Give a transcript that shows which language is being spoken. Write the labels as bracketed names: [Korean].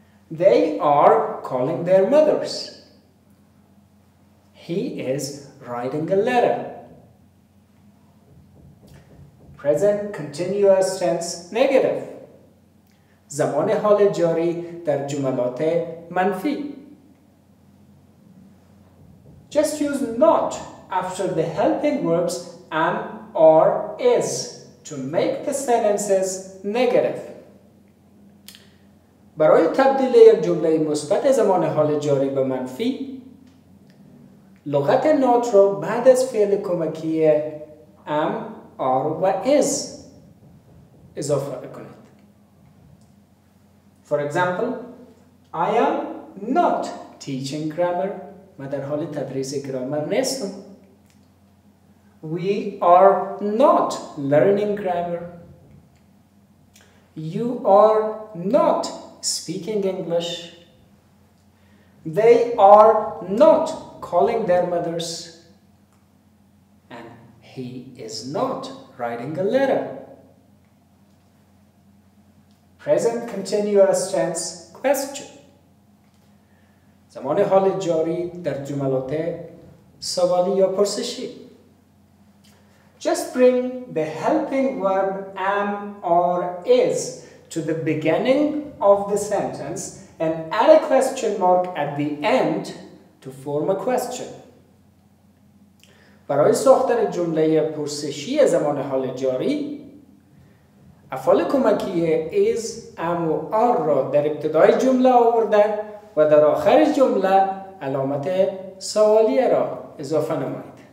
[English] They are calling their mothers. He is writing a letter. Present continuous tense negative. [Persian] زمان حال جاری در جملات منفی. [English] Just use not after the helping verbs am, are, is to make the sentences negative. [Persian] برای تبدیل یک جمله مثبت زمان حال جاری به منفی لغت not رو بعد از فعل کمکی am, are و is اضافه کنید. [English] For example, I am not teaching grammar. [Persian] ما در حال تدریس گرامر نیستم. [English] We are not learning grammar. You are not speaking English. They are not calling their mothers. And he is not writing a letter. Present continuous tense question. [Persian] زمان حال جاری در جملات سوالی یا پرسشی. [English] Just bring the helping verb am or is to the beginning of the sentence and add a question mark at the end to form a question. [Persian] برای ساختن جمله پرسشی زمان حال جاری افعال کمکی is, am و are را در ابتدای جمله آورده و در آخر جمله علامت سوالی را اضافه نمایید.